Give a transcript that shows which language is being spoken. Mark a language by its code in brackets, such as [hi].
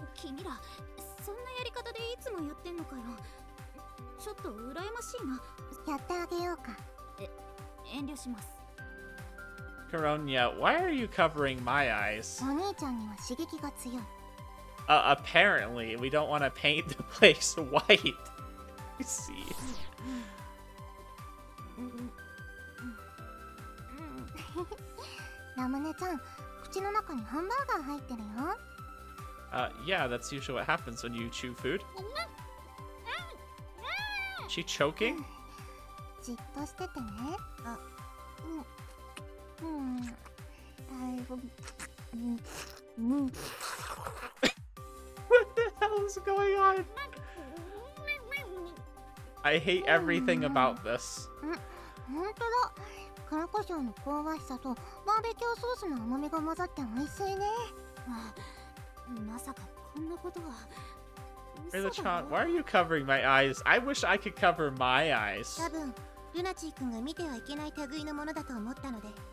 [ja] 君ら、そんなやり方でいつもやってんのかよ。ちょっと羨ましいな。やってあげようか。遠慮します。 [en] Coronia, why are you covering my eyes? [ja] お兄ちゃんには刺激が強い。 [en] Apparently, we don't want to paint the place white. I see. [ja] ラムネちゃん、口の中にハンバーガー入ってるよ。 [en] Yeah, that's usually what happens when you chew food. She choking? [ja] じっとしててね。 [en] What the hell is going on? I hate everything about this. [ja] 本当だ。黒胡椒の香ばしさとバーベキューソースの甘みが混ざって美味しいね。まさかこんなことは。 [en] Rayla-chan, why are you covering my eyes? I wish I could cover my eyes. [ja] 多分ルナチー君が見てはいけない類のものだと思ったので。